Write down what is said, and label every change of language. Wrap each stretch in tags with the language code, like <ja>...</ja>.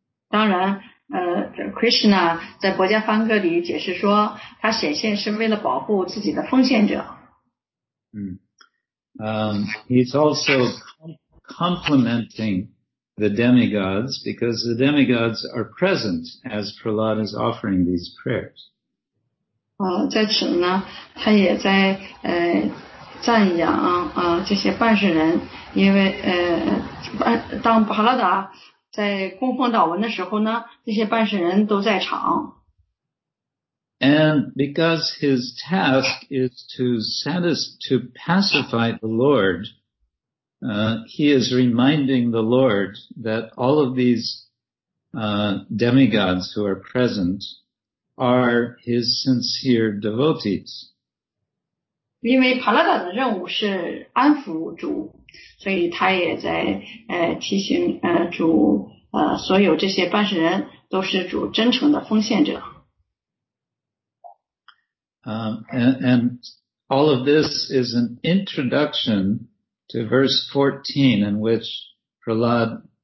<zh>当然，Krishna 在《薄伽梵歌》里解释说，他显现是为了保护自己的奉献者。</zh> <en>He's also complimenting the demigods, because the demigods are present as Prahlad is offering these prayers.</en> <zh>在此呢，他也在赞扬这些办事人，因为当帕拉达在供奉祷文的时候呢，这些办事人都在场。</zh> <en>And because his task is to pacify the Lord, he is reminding the Lord that all of these demigods who are present are his sincere devotees.</en> <zh>因为帕拉达的任务是安抚主，所以他也在提醒主所有这些办事人都是主真诚的奉献者。</zh> <en>And all of this is an introduction to verse 14, in which Prahlad</en>